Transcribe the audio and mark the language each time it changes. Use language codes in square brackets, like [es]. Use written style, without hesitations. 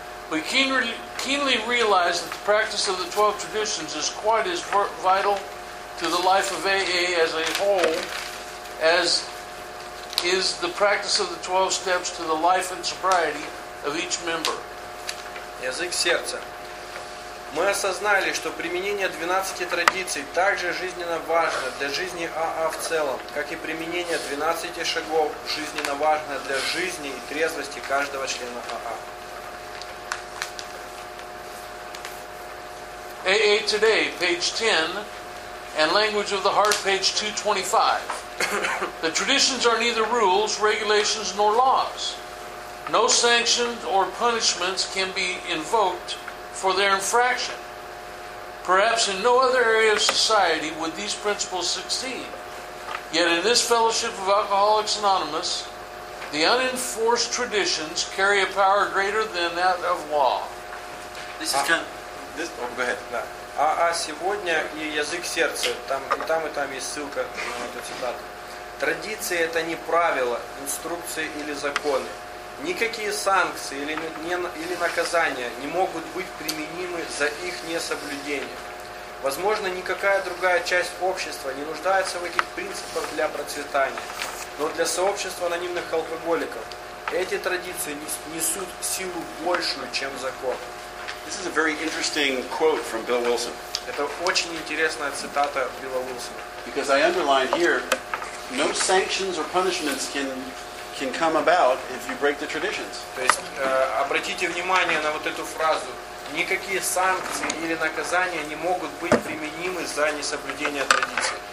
[en] We keenly realize that the practice of the 12 traditions is quite as vital to the life of AA as a whole as is the practice of the 12 steps to the life and sobriety of each member. [ru] Язык сердца. Мы осознали, что применение 12 традиций также жизненно важно для жизни АА в целом, как и применение 12 шагов жизненно важно для жизни и трезвости каждого члена АА. [en] AA Today, page 10, and Language of the Heart, page 225. The traditions are neither rules, regulations, nor laws. No sanctions or punishments can be invoked for their infraction. Perhaps in no other area of society would these principles succeed. Yet in this fellowship of Alcoholics Anonymous, the unenforced traditions carry a power greater than that of law. This is kind of, this, oh, go ahead. [ru] АА сегодня и язык сердца. Там и там есть ссылка на эту цитату. Традиции — это не правила, инструкции или законы. Никакие санкции или наказания не могут быть применимы за их несоблюдение. Возможно, никакая другая часть общества не нуждается в этих принципах для процветания, но для сообщества анонимных алкоголиков эти традиции несут силу большую, чем закон. [en] This is a very interesting quote from Bill Wilson. [ru] Это очень интересная цитата Билла Уилсона. [en] Because I underline here, no sanctions or punishments can come about if you break the traditions. [ru] То есть обратите внимание на вот эту фразу. Никакие санкции или наказания не могут быть применимы за несоблюдение традиций.